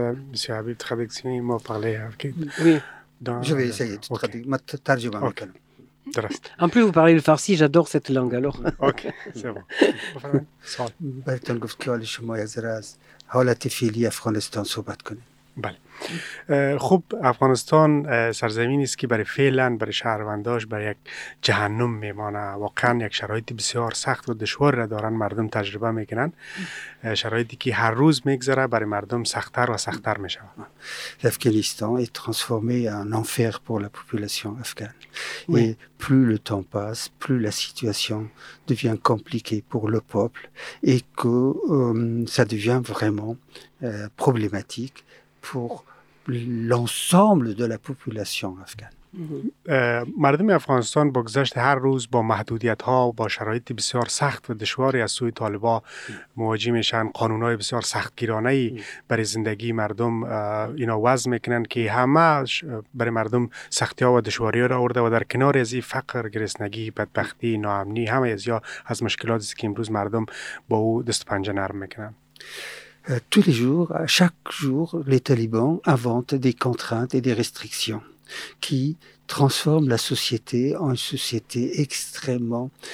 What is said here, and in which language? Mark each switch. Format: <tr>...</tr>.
<fr>Monsieur Habib, traduction, il m'a parlé. Okay. Oui, je vais essayer de traduire.</fr> <fa>Ma tarjuma. Ok.</fa> <fr>En plus, vous parlez le farsi, j'adore cette langue alors. Ok, c'est bon. Je vais vous dire que vous avez dit que vous avez Afghanistan.</fr> <fa>بله. خب افغانستان سرزمینی است که برای فعلا برای شهرونداش برای یک جهنم میمانه. واقعا یک شرایطی بسیار سخت و دشوار را دارن مردم تجربه میکنن. شرایطی که هر روز میگذره برای مردم سختتر و سختتر میشود.</fa> <fr>افغانستان est transformé en enfer pour la population afghane. Oui. Et plus le temps passe, plus la situation devient compliquée pour le peuple et que ça devient vraiment problématique pour l'ensemble de la population afghane.</fr> <fa>مردم افغانستان با گذشت هر روز با محدودیت ها و با شرایط بسیار سخت و دشواری از سوی طالبا مواجه میشن. قانون های بسیار سختگیرانه ای برای زندگی مردم اینا وضع میکنن که همه برای مردم سختی ها و دشواری ها را آورده و در کنار از این فقر، گرسنگی، بدبختی، ناامنی همه از یا از مشکلاتی که امروز مردم با او دست پنجه نرم میکنن.</fa> <fr>Tous les jours, à chaque jour, les talibans inventent des contraintes et des restrictions qui transforment la société en une société extrêmement</fr>